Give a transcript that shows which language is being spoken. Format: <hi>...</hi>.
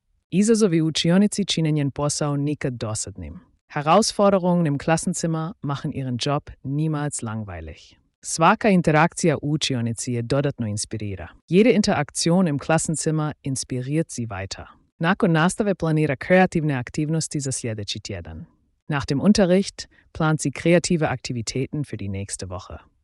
<hr>Izazovi učionici čine njen posao nikad dosadnim.</hr> <de>Herausforderungen im Klassenzimmer machen ihren Job niemals langweilig.</de> <hr>Svaka interakcija u učionici je dodatno inspirira.</hr> <de>Jede Interaktion im Klassenzimmer inspiriert sie weiter.</de> <hr>Nakon nastave planira kreativne aktivnosti za sljedeći tjedan.</hr> <de>Nach dem Unterricht plant sie kreative Aktivitäten für die nächste Woche.</de>